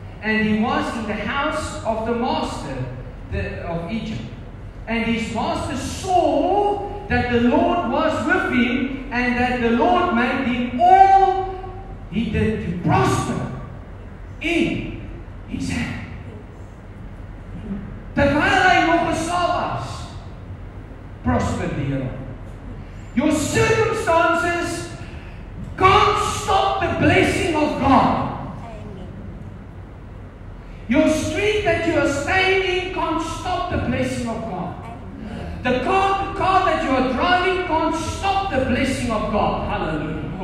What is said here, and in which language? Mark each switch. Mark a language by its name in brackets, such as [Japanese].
[English] And he was in the house of the master of Egypt. And his master saw that the Lord was with him and that the Lord made him all he did to prosper in his hand. [Afrikaans] Terwyl hy nog geslaap was, prosper die Here. [English] Your circumstances can't stop the blessing of God. Your street that you are staying in can't stop the blessing of God. The car that you are driving can't stop the blessing of God. Hallelujah.